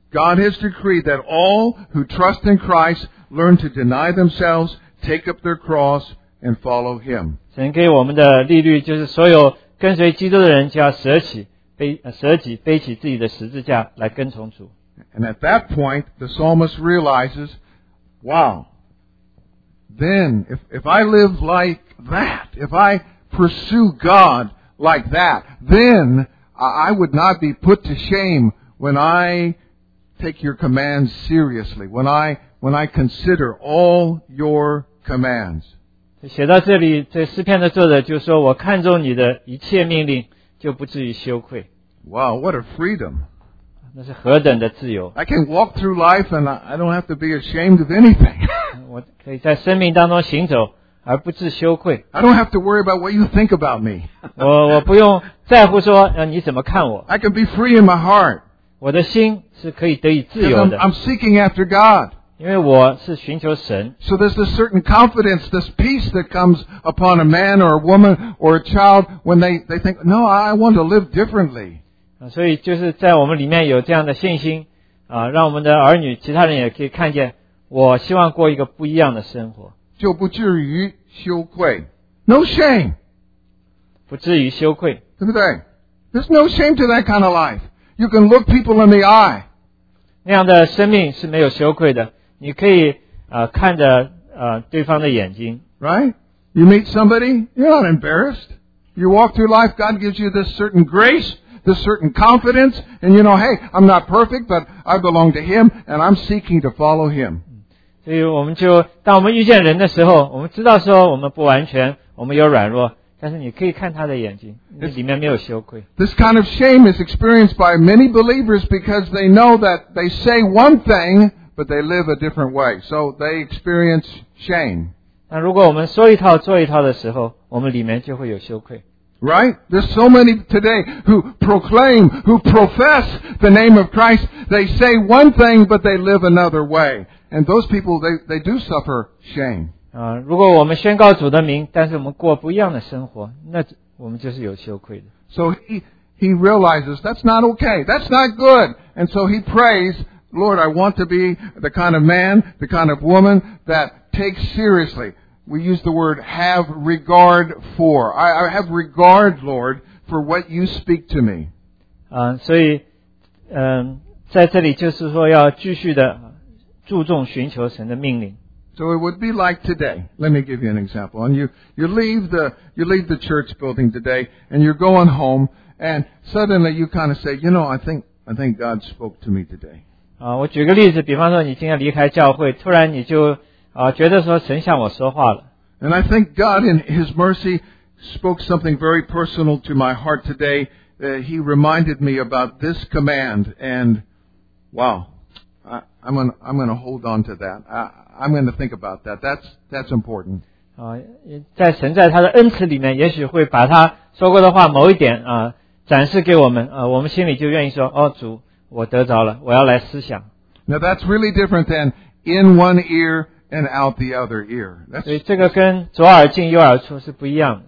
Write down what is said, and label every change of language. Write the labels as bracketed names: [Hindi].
[English] God has decreed that all who trust in Christ learn to deny themselves, take up their cross, and follow Him. [Chinese] 神给我们的律例就是所有跟随基督的人就要舍己背起自己的十字架来跟从主。 [English] And at that point, the psalmist realizes, wow, then if I live like that, if I pursue God like that, then I would not be put to shame when I take your commands seriously, when I consider all your commands. [Chinese] 写到这里，这诗篇的作者就说，我看重你的一切命令，就不至于羞愧。 [English] Wow, what a freedom. [Chinese] 那是何等的自由。 [English] I can walk through life and I don't have to be ashamed of anything. [Chinese] 我可以在生命当中行走而不致羞愧。 [English] I don't have to worry about what you think about me. [Chinese] 我不用在乎说你怎么看我。 [English] I can be free in my heart. [Chinese] 我的心是可以得以自由的。 [English] I'm seeking after God. [Chinese] 因为我是寻求神。 [English] So there's a certain confidence, this peace that comes upon a man or a woman or a child when they think, no, I want to live differently. [Chinese] 所以就是在我们里面有这样的信心让我们的儿女其他人也可以看见我希望过一个不一样的生活。就不至于羞愧。 [English] No shame! [Chinese] 不至于羞愧。对不对？ [English] There's no shame to that kind of life. You can look people in the eye. [Chinese] 那样的生命是没有羞愧的。你可以看着对方的眼睛。 [English] Right? You meet somebody, you're not embarrassed. You walk through life, God gives you this certain grace, this certain confidence, and you know, hey, I'm not perfect, but I belong to Him, and I'm seeking to follow Him. [Chinese] 所以我们就当我们遇见人的时候我们知道说我们不完全我们有软弱但是你可以看他的眼睛那里面没有羞愧。 [English] This kind of shame is experienced by many believers because they know that they say one thing, but they live a different way. So they experience shame. [Chinese] 那如果我们说一套做一套的时候我们里面就会有羞愧。 [English] Right? There's so many today who proclaim, who profess the name of Christ. They say one thing, but they live another way. And those people, they do suffer shame. [Chinese] 如果我们宣告主的名，但是我们过不一样的生活，那我们就是有羞愧的。 [English] So he realizes that's not okay. That's not good. And so he prays, Lord, I want to be the kind of man, the kind of woman that takes seriously. We use the word have regard for. I have regard, Lord, for what you speak to me. [Chinese] 所以在这里就是说要继续的注重寻求神的命令。 [English] So it would be like today. Let me give you an example. And you leave the church building today and you're going home and suddenly you kind of say, you know, I think God spoke to me today. [Chinese] 我举个例子比方说你今天离开教会突然你就觉得说神向我说话了。 [English] And I think God in His mercy spoke something very personal to my heart today. He reminded me about this command and wow, I'm gonna hold on to that. I'm gonna think about that. That's important. [Chinese] 在神在他的恩慈里面也许会把他说过的话某一点展示给我们我们心里就愿意说哦主我得着了我要来思想。 [English] Now that's really different than in one ear,and out the other ear. [Chinese] 所以这个跟左耳进右耳出是不一样的。